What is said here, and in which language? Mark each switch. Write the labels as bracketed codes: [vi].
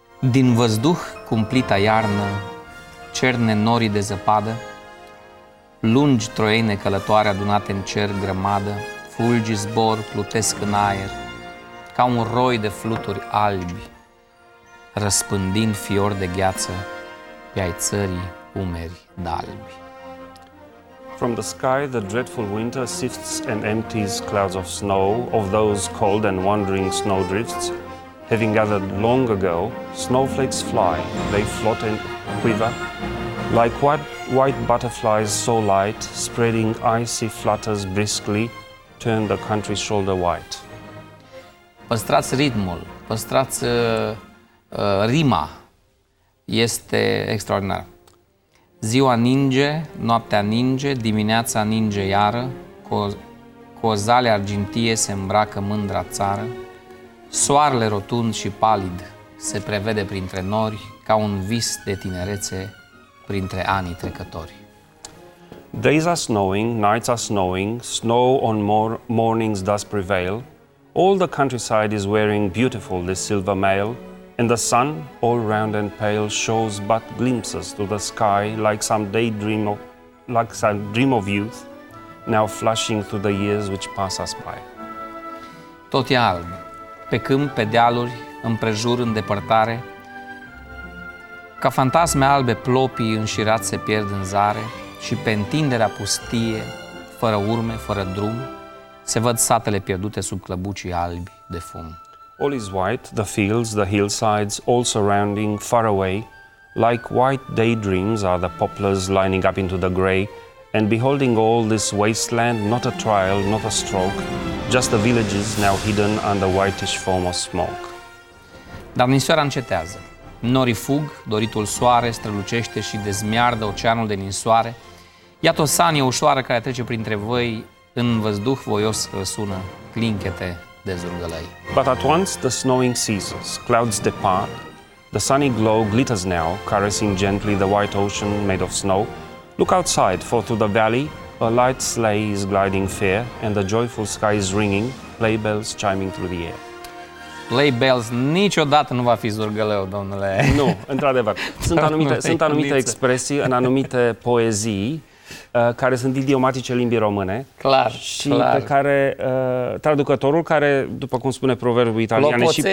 [ro] Din văzduh cumplita iarnă, cerne norii de zăpadă, lungi troiene călătoare adunate în cer grămadă, fulgi zbor, plutesc în aer, ca un roi de fluturi albi, răspândind fior de gheață pe-ai țării umeri d'albi. [en] From the sky, the dreadful winter sifts and empties clouds of snow of those cold and wandering snowdrifts. Having gathered long ago, snowflakes fly, they float and quiver, like white butterflies so light, spreading icy flutters briskly, turn the country's shoulder white. [ro] Păstrați ritmul, păstrați rima, este extraordinar. Ziua ninge, noaptea ninge, dimineața ninge iară, cozale argintie se îmbracă mândra țară, soarele rotund și palid se prevede printre nori ca un vis de tinerețe printre anii trecători. [en] Days are snowing, nights are snowing, snow on mornings does prevail. All the countryside is wearing beautiful this silver mail, and the sun, all round and pale, shows but glimpses to the sky like some daydream of, like some dream of youth, now flushing through the years which pass us by. [ro] Tot e alb. Pe câmp, pe dealuri, împrejur, în depărtare, ca fantasme albe plopii înșirați se pierd în zare și pe întinderea pustie, fără urme, fără drum, se văd satele pierdute sub clăbucii albi de fum. [en] All is white, the fields, the hillsides, all surrounding, far away, like white daydreams are the poplars lining up into the grey, and beholding all this wasteland, not a trial, not a stroke, just the villages now hidden under whitish foam of smoke. [ro] Dar ninsoara încetează. Norii fug, doritul soare strălucește și dezmiardă oceanul de ninsoare. Iată o sanie ușoară care trece printre voi, în văzduh voios răsună clinchete de zurgălăi. [en] But at once the snowing ceases, clouds depart, the sunny glow glitters now, caressing gently the white ocean made of snow. Look outside, for through the valley, a light sleigh is gliding fair, and the joyful sky is ringing, playbells chiming through the air. [ro] Playbells niciodată nu va fi zurgăleu, domnule. Nu, într-adevăr. Sunt anumite expresii în anumite poezii care sunt idiomatice limbii române. Clar, și clar. Pe care traducătorul, care, după cum spune proverbul italian...